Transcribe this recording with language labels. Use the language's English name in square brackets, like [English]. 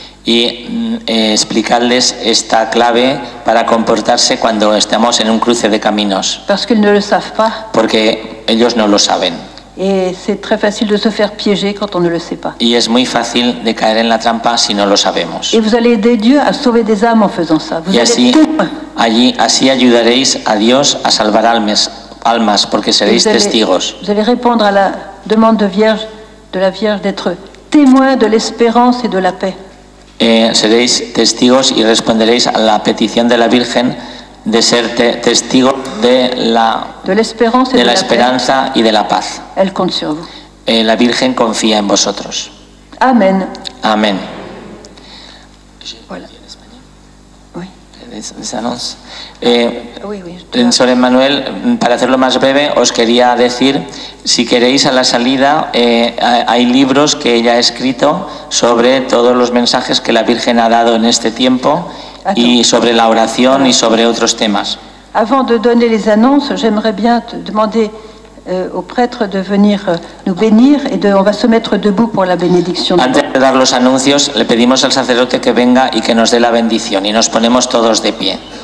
[Spanish] Y explicarles esta clave para comportarse cuando estamos en un cruce de caminos. [French] Parce qu'ils ne le savent pas. [Spanish] Porque ellos no lo saben. [French] Et c'est très facile de se faire piéger quand on ne le sait pas. [Spanish] Y es muy fácil de caer en la trampa si no lo sabemos. [French] Et vous allez aider Dieu à sauver des âmes en faisant ça. Vous [Spanish] y así, [French] allez [Spanish] así ayudaréis a Dios a salvar almas porque seréis testigos. [French] Vous allez répondre à la demande de la Vierge d'être témoin de l'espérance et de la paix. [Spanish] Seréis testigos y responderéis a la petición de la Virgen de ser testigo de la esperanza y de la paz. [French] Elle compte sur vous. [Spanish] La Virgen confía en vosotros. Amén. Amén. [French] Voilà. Oui. les annonces. [Spanish] Señor Emmanuel, para hacerlo más breve, os quería decir, si queréis a la salida, hay libros que ella ha escrito sobre todos los mensajes que la Virgen ha dado en este tiempo y sobre la oración y sobre otros temas. [French] Avant de donner les annonces, j'aimerais bien te demander au prêtre de venir nous bénir et de, on va se mettre debout pour la bénédiction. [Spanish] Antes de dar los anuncios, le pedimos al sacerdote que venga y que nos dé la bendición y nos ponemos todos de pie.